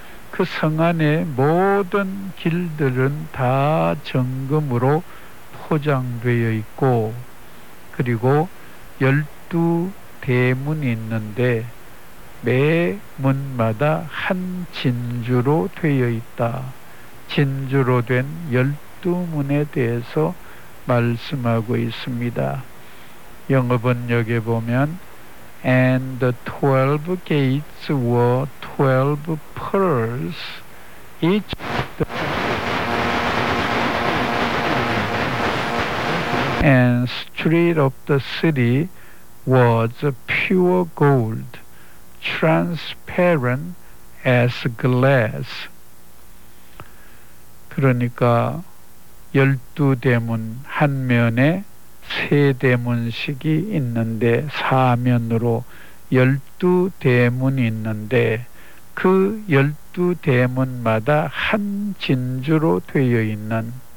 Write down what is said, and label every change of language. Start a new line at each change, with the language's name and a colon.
Korean: 그 성 안에 모든 길들은 다 정금으로 포장되어 있고, 그리고 열두 대문이 있는데 매 문마다 한 진주로 되어 있다. 진주로 된 열두 문에 대해서 말씀하고 있습니다. 영어번역에 보면
English: And the 12 gates were 12 pearls, each the and street of the city was pure gold, transparent as glass.
Korean: 그러니까 열두 대문 한 면에 세 대문식이 있는데, 사면으로 열두 대문이 있는데 그 열두 대문마다 한 진주로 되어 있는,